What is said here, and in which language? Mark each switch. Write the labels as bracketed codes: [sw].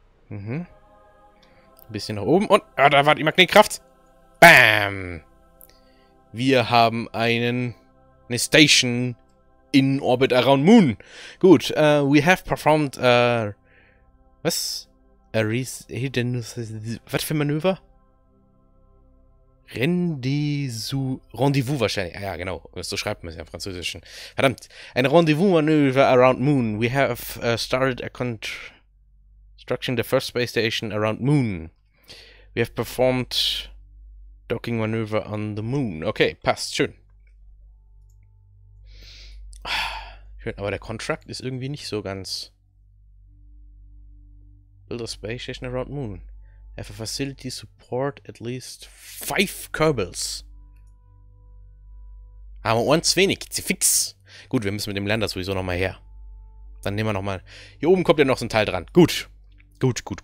[de] Ein bisschen nach oben und ah, da war die Magnetkraft. Bam! Wir haben eine Station in Orbit [en] around Moon. [de] Gut, [en] we have performed a [de] was? Was für Manöver? Rendezvous wahrscheinlich. Ah, ja, genau. So schreibt man es ja im Französischen. Verdammt. Ein Rendezvous-Manöver [en] around Moon. We have started a construction the first space station around Moon. We have performed Docking-Manöver on the Moon. [de] Okay, passt. Schön. Schön, aber der Contract ist irgendwie nicht so ganz. [en] Build a space station around Moon. Have a facility support at least 5 Kerbals. [de] Aber uns wenig. Zifix. Gut, wir müssen mit dem Lander sowieso nochmal her. Dann nehmen wir nochmal. Hier oben kommt ja noch so ein Teil dran. Gut. Gut.